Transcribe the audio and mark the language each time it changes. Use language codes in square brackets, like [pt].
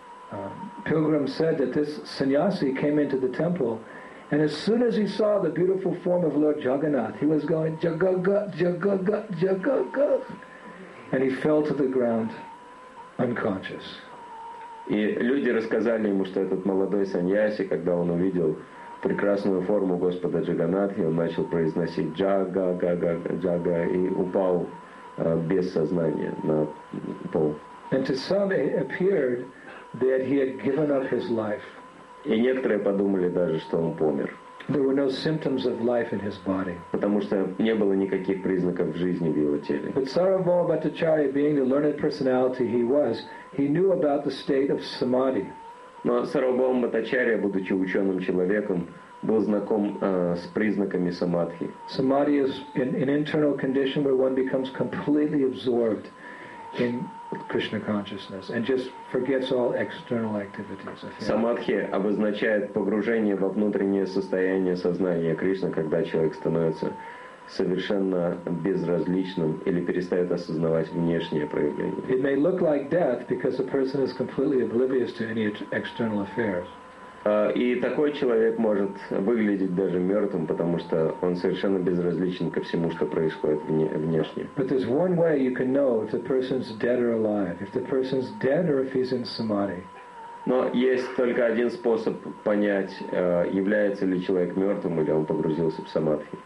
[en] The pilgrim said that this sannyasi came into the temple. And as soon as he saw the beautiful form of Lord Jagannath, he was going jagaga jagaga jagaga, and he fell to the ground unconscious. [ru] И люди рассказали ему, что этот молодой саньяси, когда он увидел прекрасную форму Господа Джаганнатхи, он начал произносить jagaga jagaga и упал без сознания на пол. [en] And to some it appeared that he had given up his life. [ru] И некоторые подумали даже, что он помер. [en] There were no symptoms of life in his body. [ru] Потому что не было никаких признаков жизни в его теле. [en] But Sarvabhaum Bhattacharya, being the learned personality he knew about the state of samadhi. [ru] Но Sarvabhaum Bhattacharya, будучи ученым человеком, был знаком с признаками самадхи. [en] Samadhi is an internal condition where one becomes completely absorbed in Krishna consciousness and just forgets all external activities. [ru] Самадхи обозначает погружение во внутреннее состояние сознания Кришны, когда человек становится совершенно безразличным или перестает осознавать внешние проявления. [en] It may look like death because a person is completely oblivious to any external affairs. [ru] И такой человек может выглядеть даже мертвым, потому что он совершенно безразличен ко всему, что происходит внешне. [en] But there's one way you can know if the person's dead or alive. If the person's dead or if he's in samadhi. [ru] Но есть только один способ понять, является ли человек мертвым или он погрузился в самадхи.